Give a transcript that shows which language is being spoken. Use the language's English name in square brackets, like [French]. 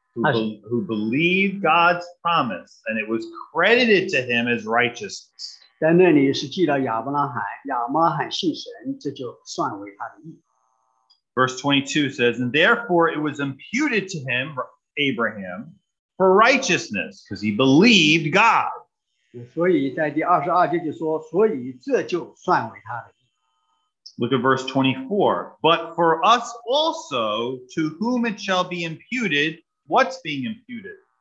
[English] who believed God's promise, and it was credited to him as righteousness. [Chinese] 在那里是记得亚伯拉罕信神，这就算为他的义。 [English] Verse 22 says, and therefore it was imputed to him, Abraham, for righteousness, because he believed God. [Chinese] 所以在第22节就说，所以这就算为他的义。 [English] Look at verse 24. But for us also, to whom it shall be imputed, what's being imputed?